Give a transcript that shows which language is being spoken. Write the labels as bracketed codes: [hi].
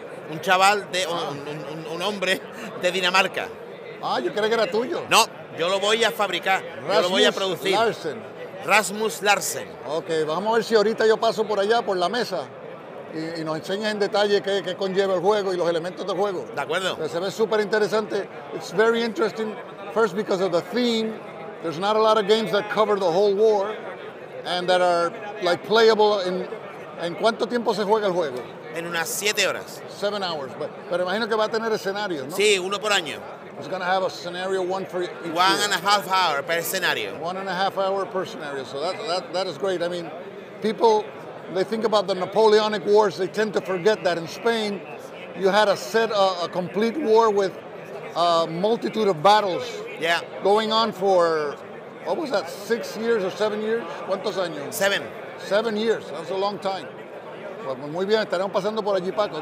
[es] Un chaval de un hombre de Dinamarca. Ah, yo creí que era tuyo. No, yo lo voy a fabricar, Rasmus, yo lo voy a producir. Larsen. Rasmus Larsen. Ok, vamos a ver si ahorita yo paso por allá, por la mesa, y nos enseñas en detalle qué conlleva el juego y los elementos del juego. De acuerdo. Pero se ve súper interesante. [en] It's very interesting, first because of the theme. There's not a lot of games that cover the whole war and that are like playable in... [es] ¿En cuánto tiempo se juega el juego? En unas 7 horas. [en] 7 hours, [es] pero imagino que va a tener escenarios, ¿no? Sí, uno por año. [en] It's going to have a scenario one for each year. One and a half hour per scenario. One and a half hour per scenario, so that is great. I mean, people, they think about the Napoleonic Wars, they tend to forget that in Spain, you had a complete war with a multitude of battles going on for, what was that, 6 years or 7 years? [es] ¿Cuántos años? 7. [en] 7 years, that's a long time. [es] Pues muy bien, estaremos pasando por allí, Paco.